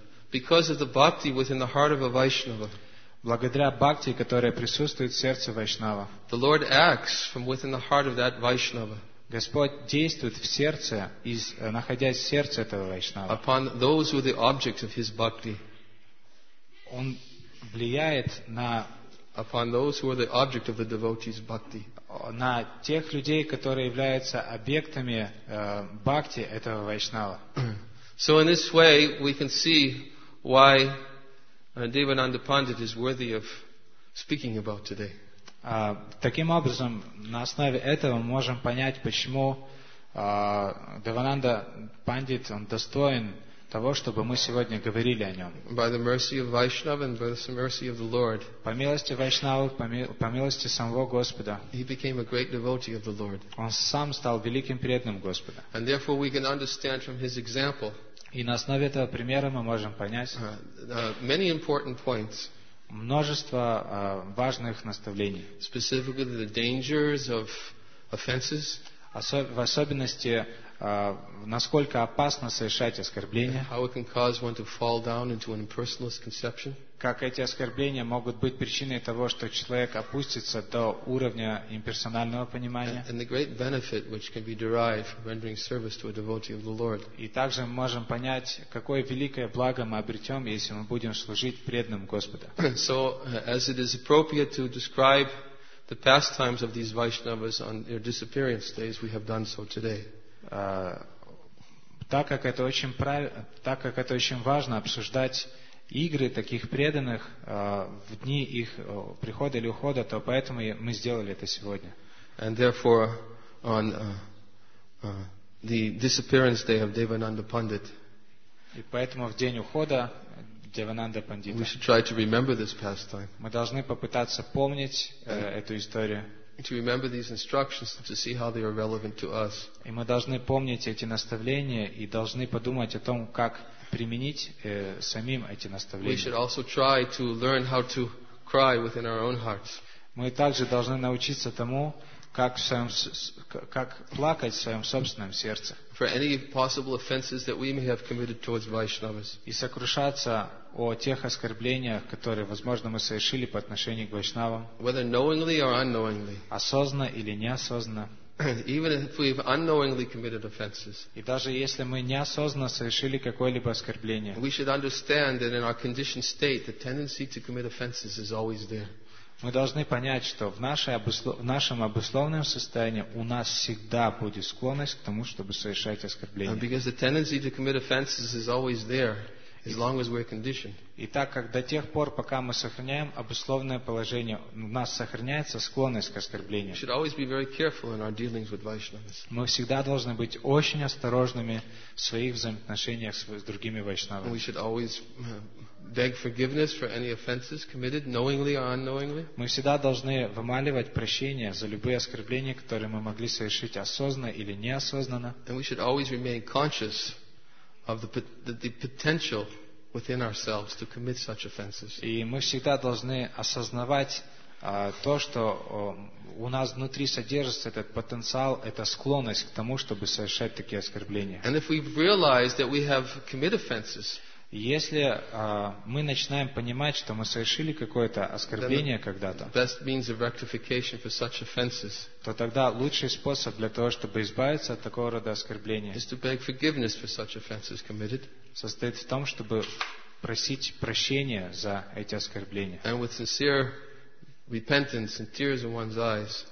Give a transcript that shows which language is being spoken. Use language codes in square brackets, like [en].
[en] Because of the bhakti within the heart of a Vaishnava, [ru] благодаря бхакти, которая присутствует в сердце Вайшнава, [en] the Lord acts from within the heart of that Vaishnava. [ru] Господь действует в сердце, находясь в сердце этого Вайшнава. [en] Upon those who are the objects of his bhakti. [ru] Он влияет на [en] upon those who are the object of the devotee's bhakti. [ru] На тех людей, которые являются объектами бхакти этого Вайшнава. [en] So in this way we can see why Devananda Pandit is worthy of speaking about today. [ru] Таким образом, на основе этого мы можем понять, почему Девананда Пандит достоин того, чтобы мы сегодня говорили о нем. [en] By the mercy of Vaishnava and by the mercy of the Lord. [ru] По милости Вайшнава, по милости самого Господа. [en] He became a great devotee of the Lord. [ru] Он сам стал великим преданным Господа. [en] And therefore we can understand from his example. [ru] И на основе этого примера мы можем понять [en] many important points. [ru] Множество важных наставлений. [en] Specifically the dangers of offenses. [ru] В особенности насколько опасно совершать оскорбления. [en] How it can cause one to fall down into an impersonalist conception. [ru] Как эти оскорбления могут быть причиной того, что человек опустится до уровня имперсонального понимания. [en] And the great benefit which can be derived from rendering service to a devotee of the Lord. [ru] И также мы можем понять, какое великое благо мы обретем, если мы будем служить преданным Господу. [en] So, as it is appropriate to describe the pastimes of these Vaishnavas on their disappearance days, we have done so today. [ru] Так как это очень важно обсуждать игры таких преданных в дни их прихода или ухода, то поэтому мы сделали это сегодня. [en] And therefore, on the disappearance day of Devananda Pandit, [ru] и поэтому в день ухода Девананда Пандита, [en] we should try to remember this pastime. [ru] Мы должны попытаться помнить эту историю. [en] To remember these instructions and to see how they are relevant to us. [ru] И мы должны помнить эти наставления и должны подумать о том, как применить самим эти наставления. [en] We should also try to learn how to cry within our own hearts. [ru] Мы также должны научиться тому, как плакать в своем собственном сердце. [en] For any possible offenses that we may have committed towards Vaishnavas. [ru] И сокрушаться о тех оскорблениях, которые, возможно, мы совершили по отношению к Вайшнавам. [en] Whether knowingly or unknowingly. [ru] Осознанно или неосознанно. [en] Even if we've unknowingly committed offenses. [ru] И даже если мы неосознанно совершили какое-либо оскорбление. [en] We should understand that in our conditioned state, the tendency to commit offenses is always there. [ru] Мы должны понять, что в нашем обусловленном состоянии у нас всегда будет склонность к тому, чтобы совершать оскорбления. [en] Because the tendency to commit offenses is always there. As long as we're conditioned. [ru] И так как до тех пор, пока мы сохраняем обусловленное положение, у нас сохраняется склонность к оскорблению. [en] We should always be very careful in our dealings with Vaishnavas. [ru] Мы всегда должны быть очень осторожными в своих взаимоотношениях с другими Вайшнавами. [en] We should always beg forgiveness for any offenses committed, knowingly or unknowingly. [ru] Мы всегда должны вымаливать прощение за любые оскорбления, которые мы могли совершить осознанно или неосознанно. [en] And we should always remain conscious of the potential within ourselves to commit such offenses. [ru] И мы всегда должны осознавать то, что у нас внутри содержится этот потенциал, это склонность к тому, чтобы совершать такие оскорбления. [en] And if we realize that we have commit offenses, [ru] если мы начинаем понимать, что мы совершили какое-то оскорбление когда-то, [en] best means of rectification for such offenses, [ru] то тогда лучший способ для того, чтобы избавиться от такого рода оскорбления, [en] is to beg forgiveness for such offenses committed, [ru] состоит в том, чтобы просить прощения за эти оскорбления. [en] And with sincere repentance and tears in one's eyes.